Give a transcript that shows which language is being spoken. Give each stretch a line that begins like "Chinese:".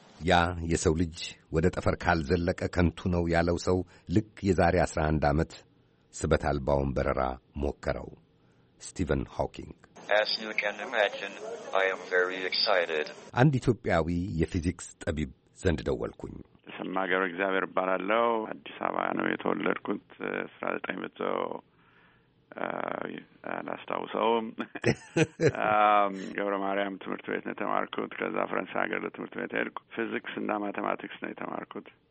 Amharic: ያ የሰው ልጅ ወደ ጠፈር ካልዘለቀ ከንቱ ነው ያለው ሰው ልክ የዛሬ 11 ዓመት ስበት አልባውን በረራ ሞከረው። ስቲቨን ሆኪንግ
English: As you can imagine, I am very excited.
Amharic: አንድ ኢትዮጵያዊ የፊዚክስ ጠቢብ ዘንድ ደወልኩኝ። ተሰማ ገብረ እግዚአብሔር እባላለሁ። አዲስ አበባ ነው የተወለድኩት። 1900 አላስታውሰውም። ገብረ ማርያም ትምህርት ቤት ነው የተማርኩት። ከዛ ፈረንሳይ ሀገር ለትምህርት ቤት ሄድኩ። ፊዚክስ እና ማቴማቲክስ ነው የተማርኩት።